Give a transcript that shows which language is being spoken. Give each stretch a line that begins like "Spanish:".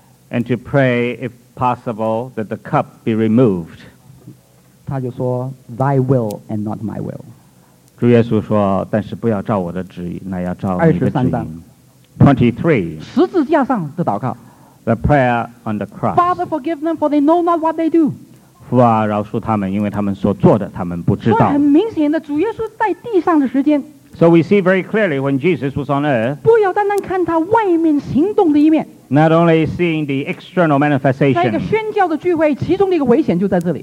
English: and to pray, if possible, that the cup be removed.
Chinese: 他就说,
English: Thy will and not my will.
Chinese: 主耶稣说, 但是不要照我的旨意, 23, 十字架上的祷告,
English: the prayer on the cross. Father, forgive them, for they know not what they do.
Chinese: 父啊, 饶恕他们, 因为他们所做的, 他们不知道。所以很明显的, 主耶稣在地上的时间,
English: so we see very clearly when Jesus was on earth,
Chinese: 不要单单看他外面行动的一面,
English: not only seeing the external manifestation,
Chinese: 在一个宣教的聚会, 其中的一个危险就在这里。